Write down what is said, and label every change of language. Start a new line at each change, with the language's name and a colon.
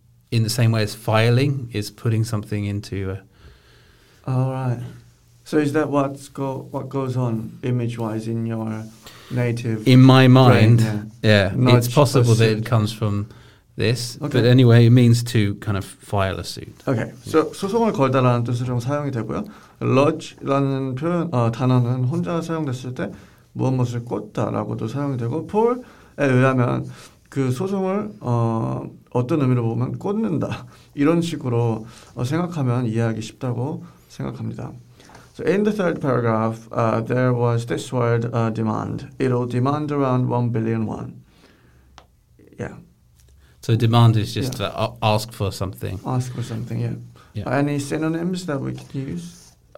English: in the same way as filing, is putting something into a... All right. So is that what goes on image-wise in your native... In my mind, yeah. It's possible that it comes from this. Okay. But anyway, it means to kind of file a suit. Okay.
Korean: So 소송을 걸다라는 뜻으로 사용이 되고요. Lodge라는 표현, 단어는 혼자 사용됐을 때 무엇 무엇을 꽂다라고도 사용이 되고 Paul에 의하면... 그 소송을 어떤 의미로 보면 꽂는다 이런 식으로 생각하면 이해하기 쉽다고 생각합니다.
English: So in the third paragraph, there was this word demand. It'll demand around 1 billion won. Yeah. So demand is just to ask for something. Ask for something. Yeah. Any synonyms that we could use?